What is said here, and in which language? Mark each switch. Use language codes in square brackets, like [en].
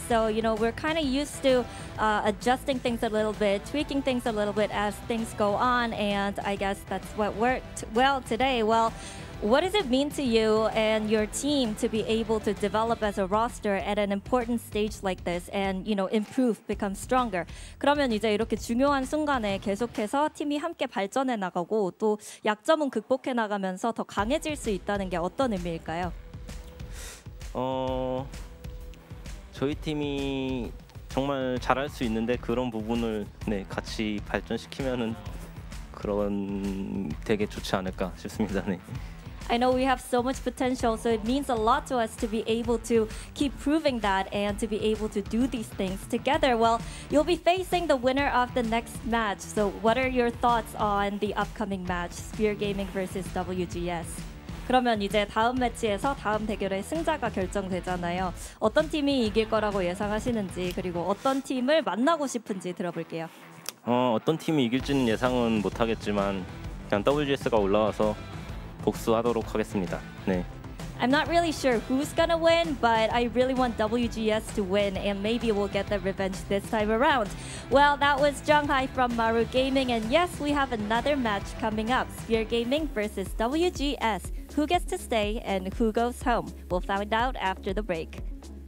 [en] So, you know, we're kind of used to adjusting things a little bit, tweaking things a little bit as things go on. And I guess that's what worked well today. Well, what does it mean to you and your team to be able to develop as a roster at an important stage like this and, you know, improve, become stronger? [ko] 그러면 이제 이렇게 중요한 순간에 계속해서 팀이 함께 발전해 나가고 또 약점은 극복해 나가면서 더 강해질 수 있다는 게 어떤 의미일까요? 저희 팀이 정말 잘할 수 있는데 그런 부분을 네, 같이 발전시키면은 그런 되게 좋지 않을까 싶습니다. 네. [en] I know we have so much potential, so it means a lot to us to be able to keep proving that and to be able to do these things together. Well, you'll be facing the winner of the next match. So what are your thoughts on the upcoming match, Spear Gaming versus WGS? [ko] 그러면 이제 다음 매치에서 다음 대결의 승자가 결정되잖아요. 어떤 팀이 이길 거라고 예상하시는지, 그리고 어떤 팀을 만나고 싶은지 들어볼게요. 어떤 팀이 이길지는 예상은 못하겠지만, 그냥 WGS가 올라와서 복수하도록 하겠습니다. 네. [en] I'm not really sure who's gonna win, but I really want WGS to win, and maybe we'll get the revenge this time around. Well, that was Junghai from Maru Gaming, and yes, we have another match coming up. Spear Gaming versus WGS. Who gets to stay and who goes home? We'll find out after the break.